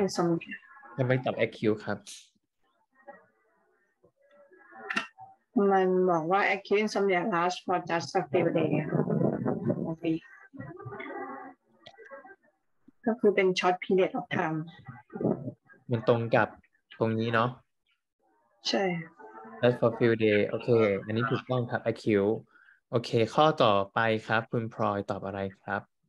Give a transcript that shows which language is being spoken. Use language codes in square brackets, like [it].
[th] insomnia ทำไมตอบ acute ครับ มันบอกว่า [en] acute insomnia last for just a few days [th] ก็คือเป็น [en] short period of time [th] มันตรงกับตรงนี้เนาะ ใช่ [en] That's for few day [th] โอเคอันนี้ถูกต้องครับ IQ โอเคข้อต่อไปครับคุณพลอยตอบอะไรครับ